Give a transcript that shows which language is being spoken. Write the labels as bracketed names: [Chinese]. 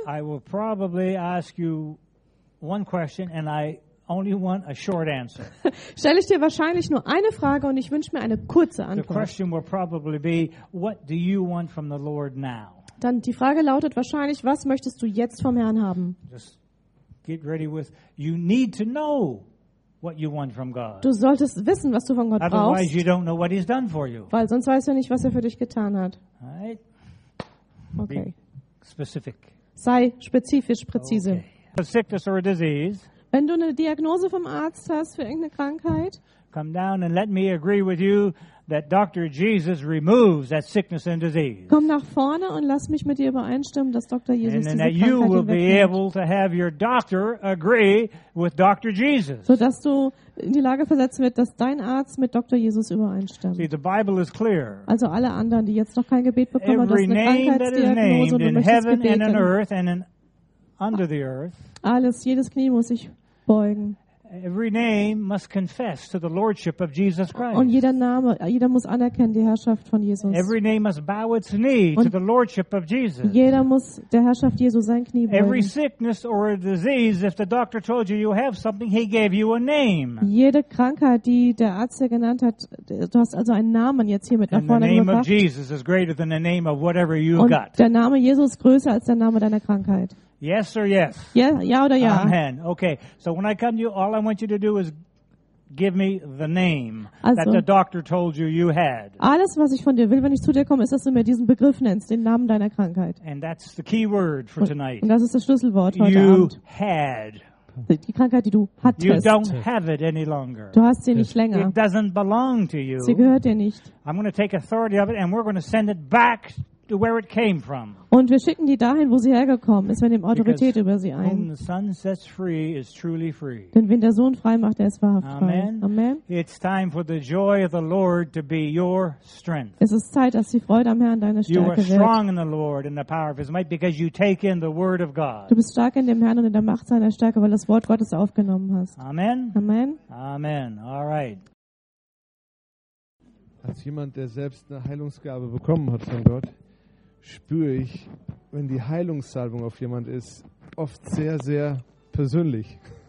[English] I will probably ask you one question and I only want a short answer. [German] Stelle ich dir wahrscheinlich nur eine Frage und ich wünsche mir eine kurze Antwort. [English] The question will probably be, what do you want from the Lord now? [German] Dann die Frage lautet wahrscheinlich, was möchtest du jetzt vom Herrn haben? [English] Just get ready with, you need to know what you want from God. [German] Du solltest wissen, was du von Gott [English] otherwise [German] brauchst. [English] You don't know what he's done for you. [German] Weil sonst weißt du nicht, was er für dich getan hat. [English] Right. [German] Okay. [English] Be specific. [German] Sei spezifisch, präzise. [English] Okay. A sickness or a disease, [German] wenn du eine Diagnose vom Arzt hast für irgendeine Krankheit, [English] come down and let me agree with you that Dr. Jesus removes that sickness and disease. [German] Komm nach vorne und lass mich mit dir übereinstimmen, dass Dr. Jesus diese Krankheit wegnimmt. [English] You will be able to have your doctor agree with Dr. Jesus. [German] So dass du in die Lage versetzt wird, dass dein Arzt mit Dr. Jesus übereinstimmt. [English] See, the Bible is clear. [German] Also alle anderen, die jetzt noch kein Gebet bekommen, das ist eine Krankheitsdiagnose [English] name that is named [German] und du [English] in heaven [German] gebeten. [English] And in earth and in under the earth. [German] Alles, jedes Knie muss sich beugen. [English] Every name must confess to the lordship of Jesus Christ. [German] Und jeder Name, jeder muss anerkennen die Herrschaft von Jesus. [English] Every name must bow its knee to the lordship of Jesus. [German] Jeder muss der Herrschaft Jesu sein Knie beugen. [English] Every sickness or a disease, if the doctor told you you have something, he gave you a name. [German] Jede Krankheit, die der Arzt dir genannt hat, du hast also einen Namen jetzt hier mit nach vorne gebracht. [English] The name of Jesus is greater than the name of whatever you got. [German] Der Name Jesus ist größer als der Name deiner Krankheit. [English] Yes or yes? [German] Ja oder ja. [English] Amen. Okay. So when I come to you, all I want you to do is give me the name [German] also, [English] that the doctor told you you had. [German] Alles, was ich von dir will, wenn ich zu dir komme, ist, dass du mir diesen Begriff nennst, den Namen deiner Krankheit. [English] And that's the key word for tonight. [German] Und das ist das Schlüsselwort heute [English] you [German] Abend. [English] You had. [German] Die Krankheit, die du hattest. [English] You don't have it any longer. [German] Du hast sie nicht länger. [English] It doesn't belong to you. [German] Sie gehört dir nicht. [English] I'm going to take authority of it and we're going to send it back to where it came from. [German] Und wir schicken die dahin, wo sie hergekommen ist, wir nehmen Autorität über sie ein. [English] The Son sets free is truly free. [German] Denn wenn der Sohn frei macht, der ist wahrhaft frei. [English] Amen. [German] Amen. [English] It's time for the joy of the Lord to be your strength. [German] Es ist Zeit, dass die Freude am Herrn deine Stärke wird. [English] You are strong in the Lord and the power of his might because you take in the word of God. [German] Du bist stark in dem Herrn und in der Macht seiner Stärke, weil du das Wort Gottes aufgenommen hast. [English] Amen. [German] Amen. [English] Amen. All right. [German] Als jemand, der selbst eine Heilungsgabe bekommen hat von Gott, spüre ich, wenn die Heilungssalbung auf jemand ist, oft sehr, sehr persönlich.